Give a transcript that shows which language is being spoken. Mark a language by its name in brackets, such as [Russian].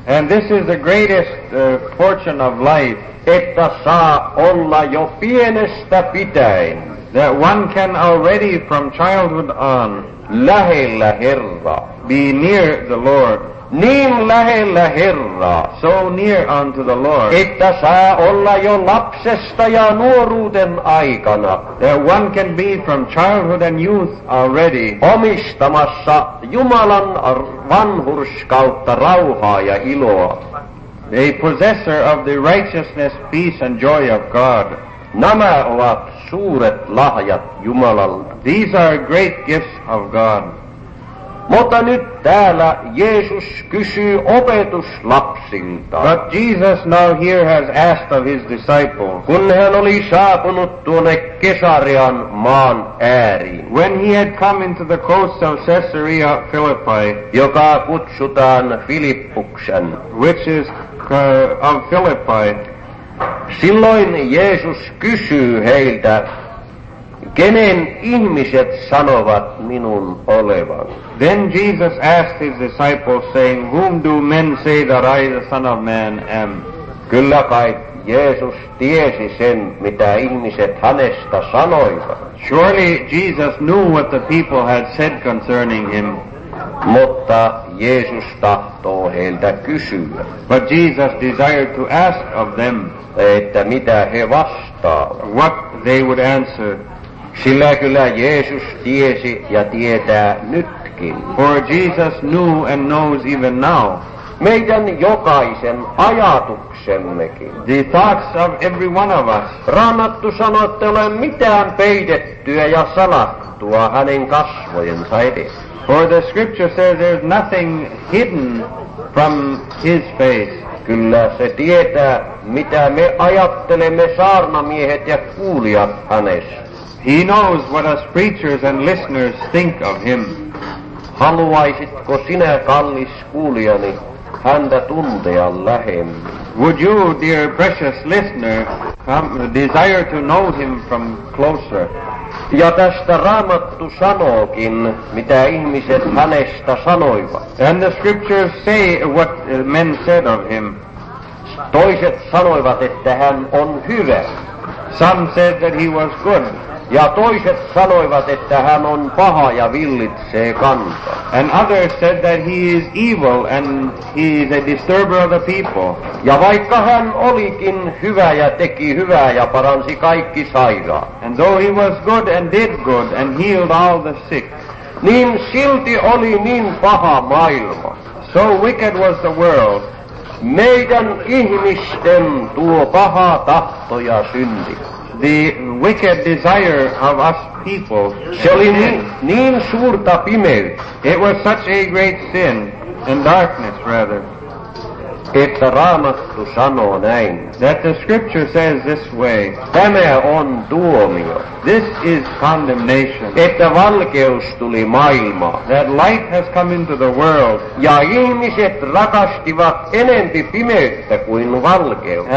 [English] And this is the greatest fortune of life. [Finnish] Että saa olla jo pienestä pitäen. [English] That one can already from childhood on [Finnish] lähellä Herra. [English] Be near the Lord. [Finnish] Niin lähellä Herra. [English] So near unto the Lord. [Finnish] Että saa olla jo lapsesta ja nuoruuden aikana. [English] That one can be from childhood and youth already. [Finnish] Omistamassa Jumalan vanhurskautta rauhaa ja iloa. [English] A possessor of the righteousness, peace and joy of God. [Finnish] Nämä ovat suuret lahjat Jumalalle. [English] These are great gifts of God. [Finnish] Mutta nyt täällä Jeesus kysyy opetuslapsilta. [English] But Jesus now here has asked of his disciples. [Finnish] Kun hän oli saapunut tuonne Kesarian maan ääriin. [English] When he had come into the coast of Caesarea Philippi. [Finnish] Joka kutsutaan Filippuksen. [English] Which is of Philippi. [Finnish] Silloin Jeesus kysyy heiltä, kenen ihmiset sanovat minun olevan? [English] Then Jesus asked his disciples, saying, whom do men say that I, the Son of Man, am? [Finnish] Kyllä kai Jeesus tiesi sen, mitä ihmiset hänestä sanoivat. [English] Surely Jesus knew what the people had said concerning him. [Finnish] Mutta Jeesus tahtoo heiltä kysyä. [English] But Jesus desired to ask of them, [Finnish] että mitä he vastaavat. [English] What they would answer. [Finnish] Sillä kyllä Jeesus tiesi ja tietää nytkin. [English] For Jesus knew and knows even now. [Finnish] Meidän jokaisen ajatuksemmekin. [English] The thoughts of every one of us. [Finnish] Raamattu sanoo, että ole mitään peitettyä ja salattua hänen kasvojensa edessä. [English] For the scripture says there's nothing hidden from his face. [Finnish] Kyllä se tietää, mitä me ajattelemme saarnamiehet ja kuulijat hänestä. [English] He knows what us preachers and listeners think of him. [Finnish] Haluaisitko sinä, kallis kuulijani, häntä tuntea lähemmin? [English] Would you, dear precious listener, desire to know him from closer? [Finnish] Ja tästä Raamattu sanookin, mitä ihmiset hänestä sanoivat. [English] And the scriptures say what men said of him. [Finnish] Toiset sanoivat, että hän on hyvä. [English] Some said that he was good. [Finnish] Ja toiset sanoivat, että hän on paha ja villitsee kansaa. [English] And others said that he is evil and he is a disturber of the people. [Finnish] Ja vaikka hän olikin hyvä ja teki hyvää ja paransi kaikki sairaat. [English] And though he was good and did good and healed all the sick. [Finnish] Niin silti oli niin paha maailma. [English] So wicked was the world. [Finnish] Meidän ihmisten tuo paha tahto ja synti. [English] The wicked desire of us people. [Finnish] Se oli niin suurta pimeyttä. [English] It was such a great sin and darkness rather. [Finnish] Että Raamattu sanoo näin. [English] That the scripture says this way. [Finnish] Tämä on tuomio. [English] This is condemnation. [Finnish] Että valkeus tuli maailmaan. [English] That light has come into the world. [Finnish] Ja ihmiset rakastivat enempi pimeyttä kuin valkeutta.